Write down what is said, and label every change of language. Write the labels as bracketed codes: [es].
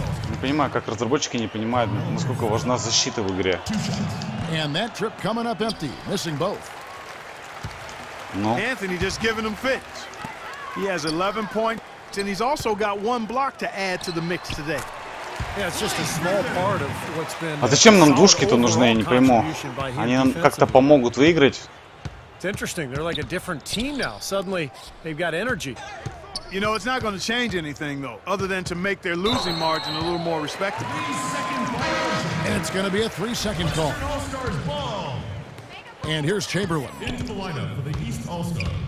[ru] Не понимаю, как разработчики не понимают, насколько важна защита в игре. [en] And that trip coming up empty, missing both. No. Anthony just giving him fits. He has 11 points, and he's also got one block to add to the mix today. Yeah, it's just a small part of what's been. [ru] А зачем нам двушки-то нужны? Я не пойму. Они нам как-то помогут выиграть? [en] It's interesting. They're like a different team now. Suddenly, they've got energy. You know, it's not going to change anything though, other than to make their losing margin a little more respectable. And it's going to be a 3-second call. And here's Chamberlain. Into the lineup for the East All-Stars.